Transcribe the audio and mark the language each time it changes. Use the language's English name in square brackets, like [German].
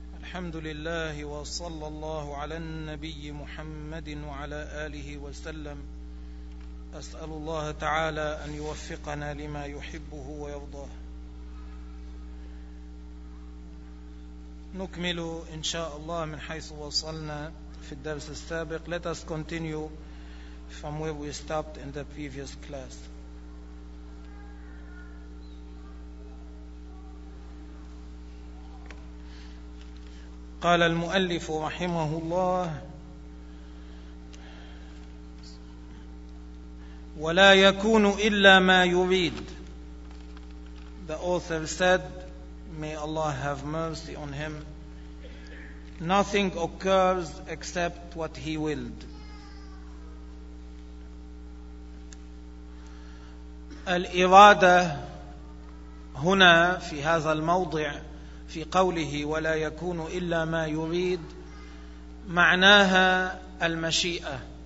[Arabic] الحمد لله وصلى الله على النبي محمد وعلى آله وسلم. أسأل الله تعالى أن يوفقنا لما يحبه ويرضاه. نكمل إن شاء الله من حيث وصلنا في الدرس السابق. [English] Let us continue from where we stopped in the previous class. [Arabic] قال المؤلف رحمه الله: ولا يكون إلا ما يريد. [English] The author said, may Allah have mercy on him, nothing occurs except what he willed. [Arabic] الإرادة هنا في هذا الموضع في قوله ولا يكون إلا ما يريد معناها المشيئة.